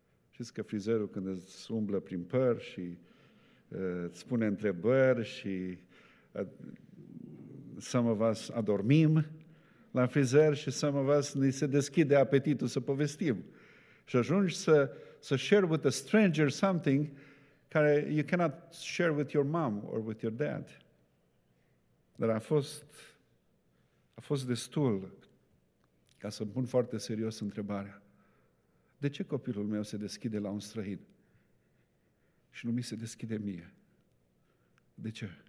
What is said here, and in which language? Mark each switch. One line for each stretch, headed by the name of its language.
Romanian: Știți că frizerul când îți umblă prin păr și îți spune întrebări și adormim la frizer și ni se deschide apetitul să povestim. Și ajungi să
English: share with a stranger something care you cannot share with your mom or with your dad.
Romanian: Dar a fost destul ca să-mi pun foarte serios întrebarea. De ce copilul meu se deschide la un străin și nu mi se deschide mie? De ce?